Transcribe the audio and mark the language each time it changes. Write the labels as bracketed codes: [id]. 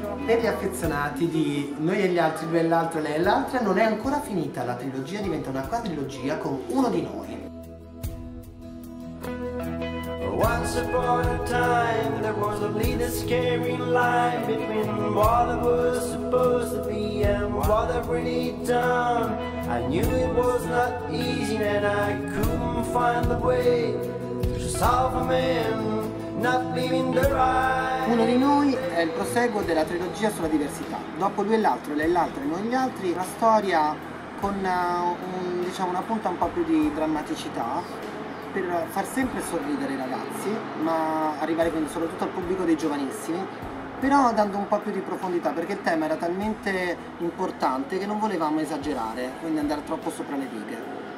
[it] per gli affezionati di Noi e gli altri, due e l'altro, lei e l'altra, non è ancora finita. La trilogia diventa una quadrilogia con Uno di noi. [en] Once upon a time, there was only this scary line between what I was supposed to be and what I've really done. I knew it was not easy and I couldn't find the way to solve a man. [it] Uno di noi è il proseguo della trilogia sulla diversità. Dopo Lui e l'altro, Lei e l'altro e Noi e gli altri, la storia con una punta un po' più di drammaticità per far sempre sorridere i ragazzi, ma arrivare quindi soprattutto al pubblico dei giovanissimi, però dando un po' più di profondità, perché il tema era talmente importante che non volevamo esagerare, quindi andare troppo sopra le righe.